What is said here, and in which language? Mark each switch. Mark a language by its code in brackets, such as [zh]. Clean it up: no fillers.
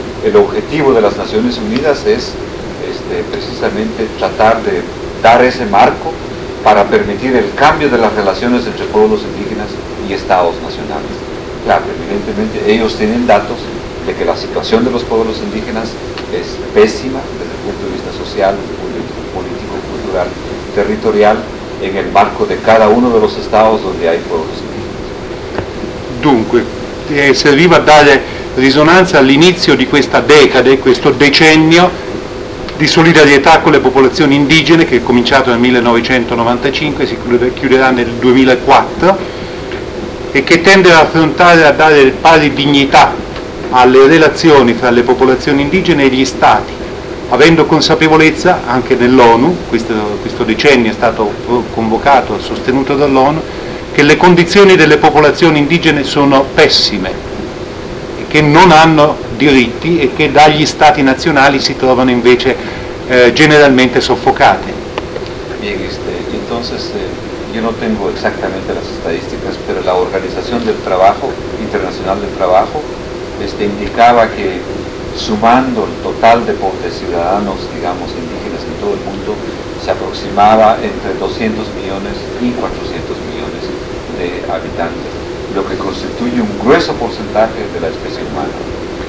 [es] El objetivo de las Naciones Unidas es precisamente tratar de dar ese marco para permitir el cambio de las relaciones entre pueblos indígenas y estados nacionales. Claro, evidentemente ellos tienen datos de que la situación de los pueblos indígenas es pésima desde el punto de vista social, político, cultural, territorial, en el marco de cada uno de los estados donde hay pueblos indígenas. [it] Dunque, se arriva a dare risonanza all'inizio di questa decade, questo decennio di solidarietà con le popolazioni indigene, che è cominciato nel 1995 e si chiuderà nel 2004, e che tende ad affrontare, a dare pari dignità alle relazioni tra le popolazioni indigene e gli stati, avendo consapevolezza anche nell'ONU, questo decennio è stato convocato, sostenuto dall'ONU, che le condizioni delle popolazioni indigene sono pessime, che non hanno diritti e che dagli stati nazionali si trovano invece generalmente soffocate. [es] Bien, entonces yo no tengo exactamente las estadísticas, pero la Organización del Trabajo, Internacional del Trabajo, indicaba que sumando el total de ciudadanos, digamos, indígenas en todo el mundo, se aproximaba entre 200 millones y 400 millones de habitantes, [it] lo che costituisce un grosso percentuale della specie umana.